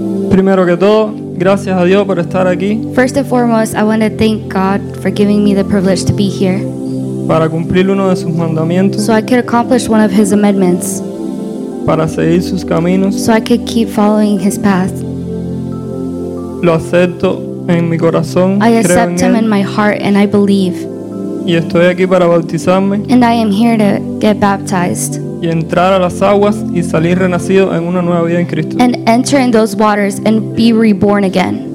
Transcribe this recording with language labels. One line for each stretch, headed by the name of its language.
Spanish: Primero que todo, gracias a Dios por estar aquí.
English: First and foremost, I want to thank God for giving me the privilege to be here.
Spanish: Para cumplir uno de sus mandamientos.
English: So I could accomplish one of His amendments.
Spanish: Para seguir sus caminos.
English: So I could keep following His path.
Spanish: Lo acepto en mi corazón.
English: I accept Him in my heart and I believe.
Spanish: Y estoy aquí para bautizarme.
English: And I am here to get baptized.
Spanish: Y entrar a las aguas y salir renacido en una nueva vida en Cristo.
English: And enter in those waters and be reborn again.